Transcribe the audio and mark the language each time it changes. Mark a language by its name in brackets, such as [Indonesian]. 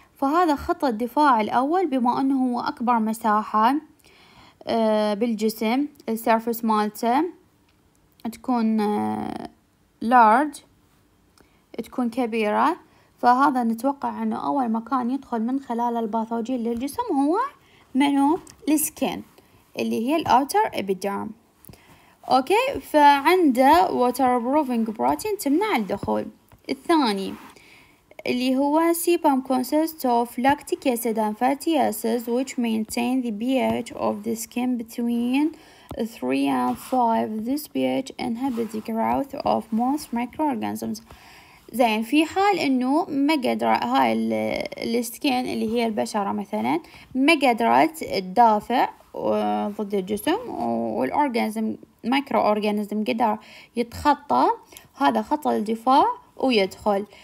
[Arabic] فهذا خط الدفاع الأول بما أنه هو أكبر مساحة بالجسم السيرفس مالته تكون لارج تكون كبيرة. فهذا نتوقع أنه أول مكان يدخل من خلال الباثوجين للجسم هو منو السكين اللي هي الأوتر إبيديرم. أوكي فعنده [English] waterproofing protein [Arabic] تمنع الدخول. الثاني اللي هو سيبام [English] consists of lactic acid and fatty acids which maintain the pH of the skin between 3 and 5. This pH inhibits the growth of most microorganisms. [Arabic] زين في حال إنه ما قدر هاي السكين اللي هي البشرة مثلاً ما قدرت تدافع ضد الجسم والأورجانزم مايكرو أورجانزم قدر يتخطى هذا خط الدفاع ويدخل.